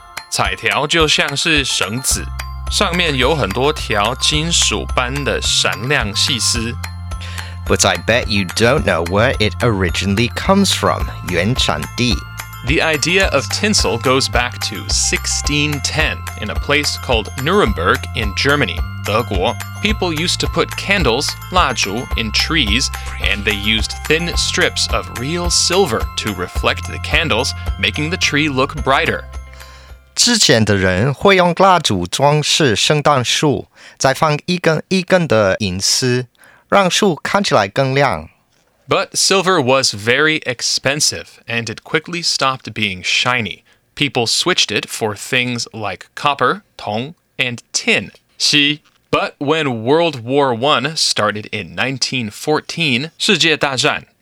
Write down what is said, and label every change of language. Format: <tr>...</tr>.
<zh>彩条就像是绳子，上面有很多条金属般的闪亮细丝。</zh> <en>But I bet you don't know where it originally comes from, 原产地。 The idea of tinsel goes back to 1610 in a place called Nuremberg in Germany. 德国, people used to put candles, 蜡烛, in trees, and they used thin strips of real silver to reflect the candles, making the tree look brighter.</en> <zh>之前的人会用蜡烛装饰圣诞树，再放一根一根的银丝，让树看起来更亮。</zh> <en>But silver was very expensive, and it quickly stopped being shiny. People switched it for things like copper, 铜, and tin. See, but when World War I started in 1914,</en> <zh>世界大战,</zh>